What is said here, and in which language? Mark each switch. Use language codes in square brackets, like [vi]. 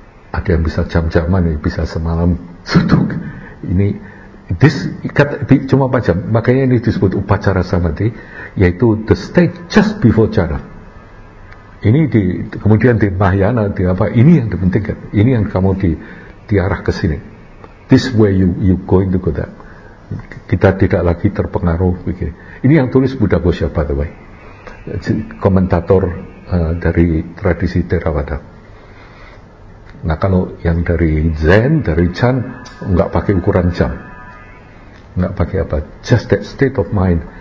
[id] Ada yang bisa jam-jaman, yang bisa semalam suduk. Ini this cuma 4 jam. Makanya ini disebut upacara samadhi, yaitu [en] the state just before jhana. [id] Ini di kemudian di Mahayana, di apa, ini yang penting kan. Ini yang kamu diarah ke sini. [en] This way you going to go that. [id] Kita tidak lagi terpengaruh begini. Ini yang tulis Buddha Gosha [en] by the way. [id] Komentator dari tradisi Theravada. Nah kalau yang dari Zen, dari Chan, enggak pakai ukuran jam, enggak pakai apa, [en] just that state of mind.